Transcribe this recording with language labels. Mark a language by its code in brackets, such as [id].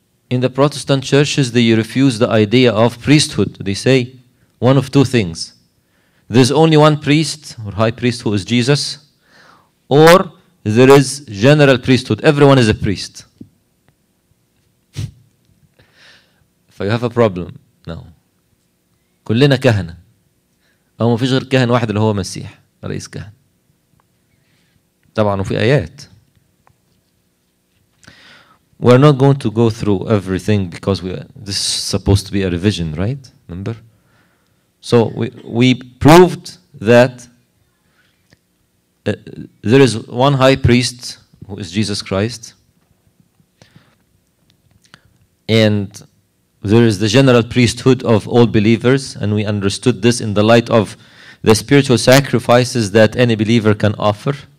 [en] In the Protestant churches, they refuse the idea of priesthood. They say one of two things. There's only one priest or high priest, who is Jesus, or there is general priesthood. Everyone is a priest. If you have a problem now, [ar] كلنا كهنة أو ما فيش غير كهن واحد اللي هو مسيح رئيس كهن. طبعا وفي آيات. [en] We're not going to go through everything because this is supposed to be a revision, right? Remember? So we proved that there is one high priest, who is Jesus Christ, and there is the general priesthood of all believers, and we understood this in the light of the spiritual sacrifices that any believer can offer.